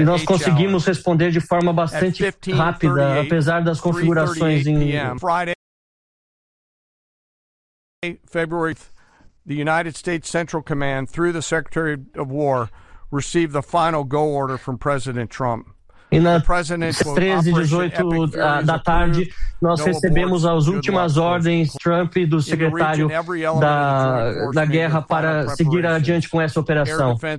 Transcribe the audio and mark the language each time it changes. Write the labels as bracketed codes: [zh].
[pt] e nós conseguimos responder de forma bastante rápida, apesar das configurações em [en] Friday, February, the United States Central Command, through the Secretary of War, received the final go order from President Trump. [pt] E nas 13h18 da tarde, nós recebemos as últimas ordens Trump e do secretário da guerra para seguir adiante com essa operação.